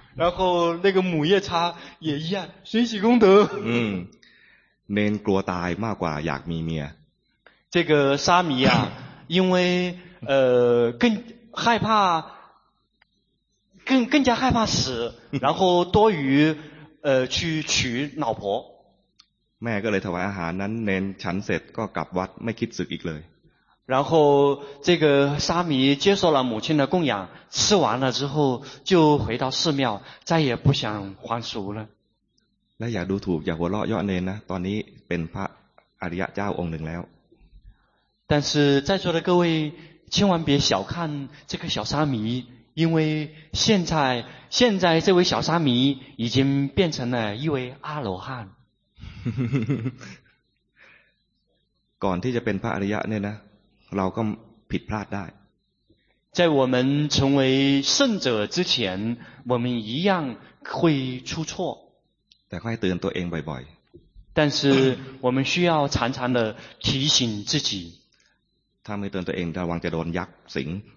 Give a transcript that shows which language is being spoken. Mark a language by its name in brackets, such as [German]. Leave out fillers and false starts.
[Chinese] 然后那个母夜叉也一样随喜功德 [Thai] เนนกลัวตายมากกว่าอยากมีเมีย [Chinese] 这个沙弥啊因为更害怕更加害怕死然后多于去娶老婆 [Thai] แม่ก็เลยถวายอาหารนั้นเนนฉันเสร็จก็กลับวัดไม่คิดสึกอีกเลย [Chinese] 然后这个沙弥接受了母亲的供养，吃完了之后就回到寺庙，再也不想还俗了。 [Thai] และอย่าดูถูกอย่าหัวเราะย่อเนรนะตอนนี้เป็นพระอริยะเจ้าองค์หนึ่งแล้ว [Chinese] 但是在座的各位千万别小看这个小沙弥，因为现在这位小沙弥已经变成了一位阿罗汉。 [Thai] ก่อนที่จะเป็นพระอริยะเนี่ยนะเราก็ผิดพลาดได้ [Chinese] 在我们成为圣者之前我们一样会出错 [Thai] แต่ก็ให้เตือนตัวเองบ่อย [Chinese] ๆ但是我们需要常常的提醒自己 [Thai] ถ้าไม่เตือนตัวเองระวังจะโดนยักษ์สิง